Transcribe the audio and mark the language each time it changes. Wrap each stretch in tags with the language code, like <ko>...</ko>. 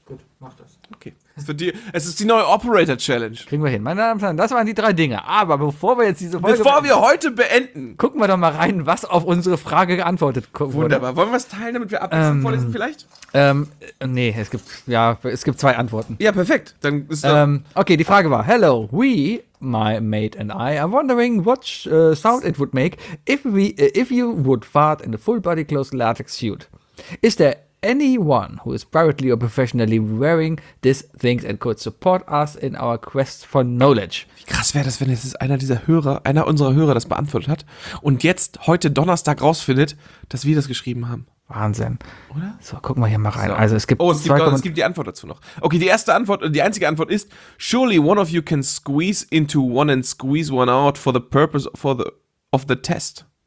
<de>Gut, mach das. Okay. Für die, es ist die neue Operator-Challenge. Kriegen wir hin. Meine Damen und Herren, das waren die 3 Dinge. Aber bevor wir jetzt diese Folge... Bevor wir heute beenden. Gucken wir doch mal rein, was auf unsere Frage geantwortet wurde. Wunderbar. Wollen wir es teilen, damit wir abwechselnd vorlesen vielleicht? Nee, es gibt 2 Antworten. Ja, perfekt. Dann ist okay, die Frage war,</de> <en>hello, we, my mate and I, are wondering what sound it would make if you would fart in a full-body closed latex suit. Is there anyone who is privately or professionally wearing these things and could support us in our quest for knowledge.</en> <de>Wie krass wäre das, wenn jetzt einer unserer Hörer das beantwortet hat und jetzt heute Donnerstag rausfindet, dass wir das geschrieben haben. Wahnsinn. Oder? So, gucken wir hier mal rein. So. Also es gibt Die Antwort dazu noch. Okay, die erste Antwort, die einzige Antwort ist,</de> <en>surely one of you can squeeze into one and squeeze one out for the purpose of the test.</en>